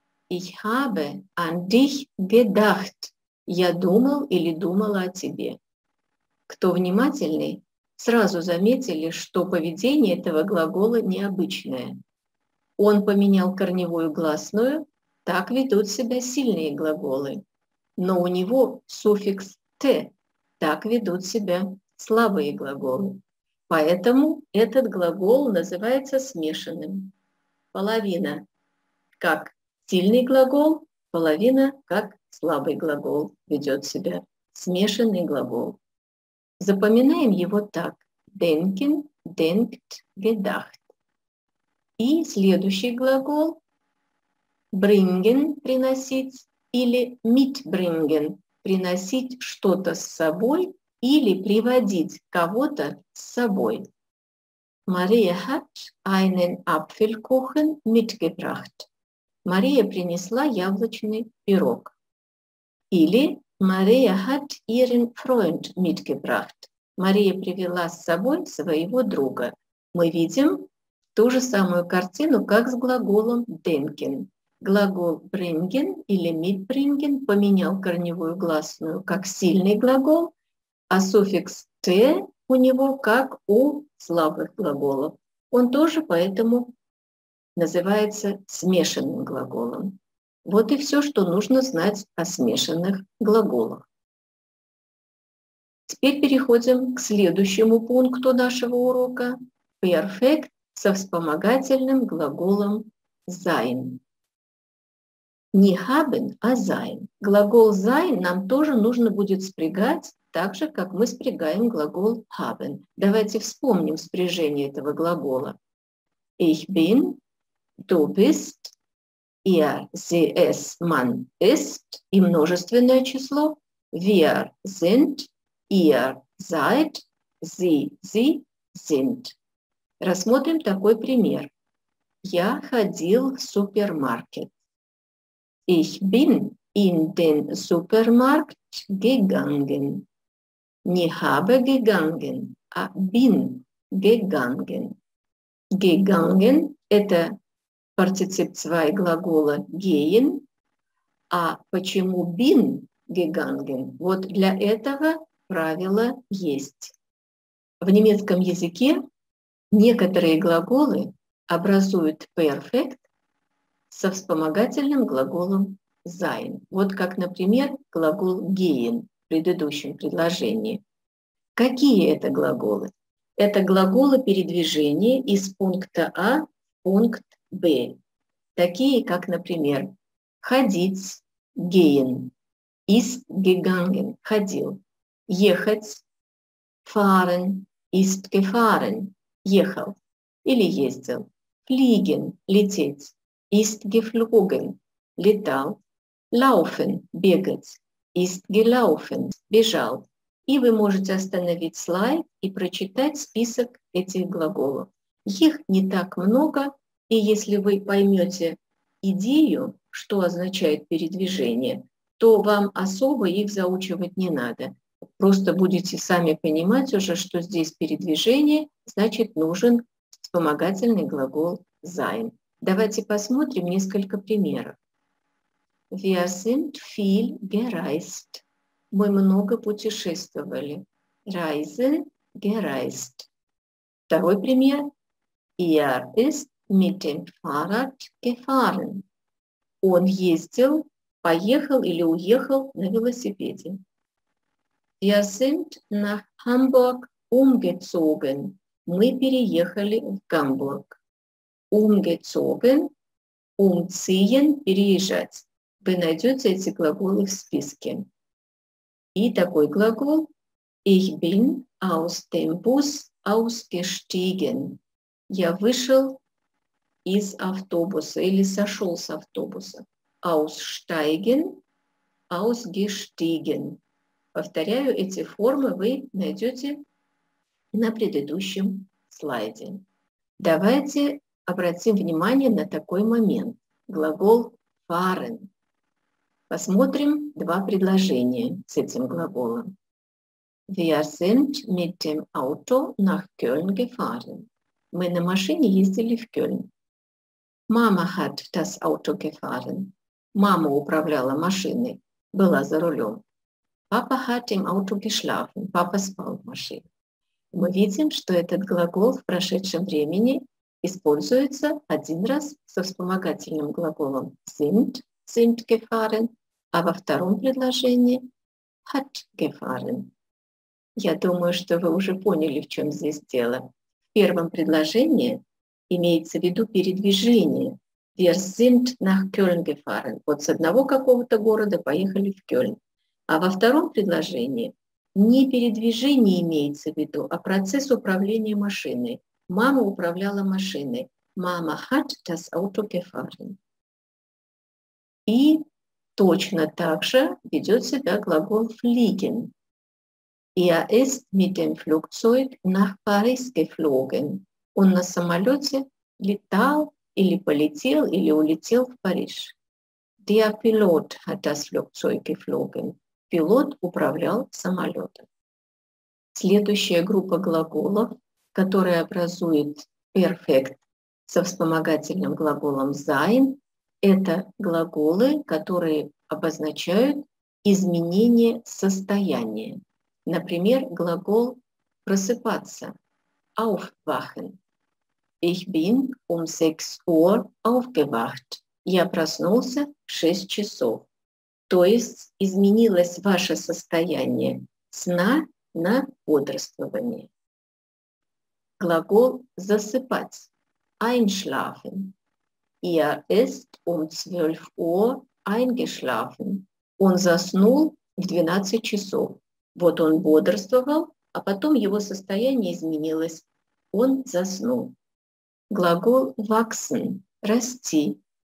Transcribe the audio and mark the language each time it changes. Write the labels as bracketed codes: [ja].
[de] Ich habe an dich gedacht. [ru] Я думал или думала о тебе. Кто внимательный, сразу заметили, что поведение этого глагола необычное. Он поменял корневую гласную. Так ведут себя сильные глаголы. Но у него суффикс «т». Так ведут себя слабые глаголы. Поэтому этот глагол называется смешанным. Половина как сильный глагол, половина как слабый глагол ведет себя. Смешанный глагол. Запоминаем его так. [de] Denken, denkt, gedacht. [ru] И следующий глагол. Bringen – приносить или mitbringen – приносить что-то с собой или приводить кого-то с собой. [de] Мария hat einen Apfelkuchen mitgebracht. [ru] Мария принесла яблочный пирог. [de] Или Мария hat ihren Freund mitgebracht. [ru] Мария привела с собой своего друга. Мы видим ту же самую картину, как с глаголом denken. Глагол bringen или mitbringen поменял корневую гласную как сильный глагол, а суффикс t у него как у слабых глаголов. Он тоже поэтому называется смешанным глаголом. Вот и все, что нужно знать о смешанных глаголах. Теперь переходим к следующему пункту нашего урока. Perfekt со вспомогательным глаголом sein. Не haben, а sein. Глагол sein нам тоже нужно будет спрягать, так же, как мы спрягаем глагол haben. Давайте вспомним спряжение этого глагола. [de] Ich bin, du bist, er, sie, es, man, ist [ru] и множественное число. [de] Wir sind, ihr seid, sie, sie sind. [ru] Рассмотрим такой пример. Я ходил в супермаркет. [de] Ich bin in den Supermarkt gegangen. Не habe gegangen, а bin gegangen. [ru] Gegangen – это партицип 2 глагола gehen. А почему [de] bin gegangen? [ru] Вот для этого правило есть. В немецком языке некоторые глаголы образуют perfect со вспомогательным глаголом sein. Вот как, например, глагол gehen в предыдущем предложении. Какие это глаголы? Это глаголы передвижения из пункта А в пункт Б. Такие, как, например, ходить [de] gehen, ist gegangen, [ru] ходил. Ехать [de] fahren, ist gefahren, [ru] ехал или ездил. [de] Fliegen, лететь. Ist geflogen – летал. Laufen – бегать. Ist gelaufen – бежал. [ru] И вы можете остановить слайд и прочитать список этих глаголов. Их не так много, и если вы поймете идею, что означает передвижение, то вам особо их заучивать не надо. Просто будете сами понимать уже, что здесь передвижение, значит, нужен вспомогательный глагол sein. Давайте посмотрим несколько примеров. [de] Wir sind viel gereist. [ru] Мы много путешествовали. [de] Reisen, gereist. [ru] Второй пример. [de] Er ist mit dem Fahrrad gefahren. [ru] Он ездил, поехал или уехал на велосипеде. [de] Wir sind nach Hamburg umgezogen. [ru] Мы переехали в Гамбург. [de] Umgezogen, umziehen, переезжать. [ru] Вы найдете эти глаголы в списке. И такой глагол. [de] Ich bin aus dem Bus ausgestiegen. [ru] Я вышел из автобуса или сошел с автобуса. [de] Aussteigen, ausgestiegen. [ru] Повторяю, эти формы вы найдете на предыдущем слайде. Давайте обратим внимание на такой момент. Глагол fahren. Посмотрим два предложения с этим глаголом. [de] Wir sind mit dem Auto nach Köln gefahren. [ru] Мы на машине ездили в Кёльн. [de] Mama hat das Auto gefahren. [ru] Мама управляла машиной, была за рулем. [de] Papa hat im Auto geschlafen. [ru] Папа спал в машине. Мы видим, что этот глагол в прошедшем времени используется один раз со вспомогательным глаголом sind, [de] sind gefahren, [ru] а во втором предложении [de] hat gefahren. [ru] Я думаю, что вы уже поняли, в чем здесь дело. В первом предложении имеется в виду передвижение. [de] Wir sind nach Köln gefahren. [ru] Вот с одного какого-то города поехали в Кёльн. А во втором предложении не передвижение имеется в виду, а процесс управления машиной. Мама управляла машиной. [de] Mama hat das Auto gefahren. [ru] И точно так же ведет себя глагол fliegen. [de] Er ist mit dem Flugzeug nach Paris geflogen. [ru] Он на самолете летал или полетел или улетел в Париж. [de] Der Pilot hat das Flugzeug geflogen. [ru] Пилот управлял самолетом. Следующая группа глаголов, которая образует перфект со вспомогательным глаголом sein, это глаголы, которые обозначают изменение состояния. Например, глагол просыпаться. [de] Aufwachen. Ich bin um 6 Uhr aufgewacht. [ru] Я проснулся в 6 часов. То есть изменилось ваше состояние сна на бодрствование. Глагол засыпать. Einschlafen. [de] Er ist um 12 Uhr eingeschlafen. [ru] Он заснул в 12 часов. Вот он бодрствовал, а потом его состояние изменилось. Он заснул. Глагол wachsen – расти.